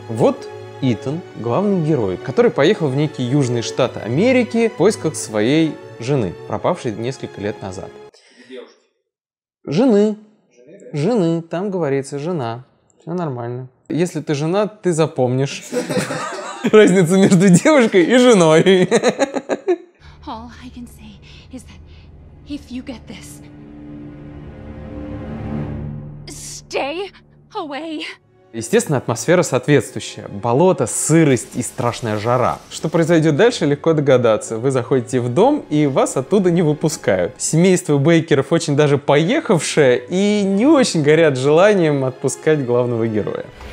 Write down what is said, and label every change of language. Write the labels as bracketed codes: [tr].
[ru] Вот Итан, главный герой, который поехал в некий южный штат Америки в поисках своей жены, пропавшей несколько лет назад. Девушки. Жены. Жены, да? Жены, там говорится жена. Все нормально. Если ты жена, ты запомнишь разницу между девушкой и женой. [en] All I can say is that if you get this, stay away. [ru] Естественно, атмосфера соответствующая. Болото, сырость и страшная жара. Что произойдет дальше, легко догадаться. Вы заходите в дом, и вас оттуда не выпускают. Семейство Бейкеров очень даже поехавшее и не очень горят желанием отпускать главного героя.